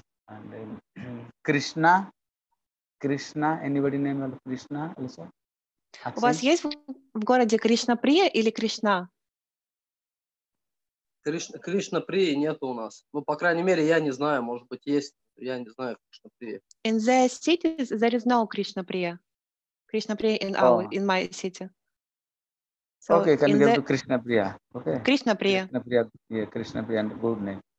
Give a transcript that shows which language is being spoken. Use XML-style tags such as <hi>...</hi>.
<en>And then Krishna, anybody name of Krishna also?</en> <ru>У вас есть в городе Кришна Прия или Кришна? Кришна Прия нет у нас. Ну, по крайней мере, я не знаю, может быть, есть, я не знаю Кришна Прия.</ru> <en>In the city, there is no Кришна Прия. Кришна Прия in my city. So okay, can you give to Krishna Priya? Okay. Krishna Priya. Krishna Priya. Yeah, Krishna Priya, good name.</en>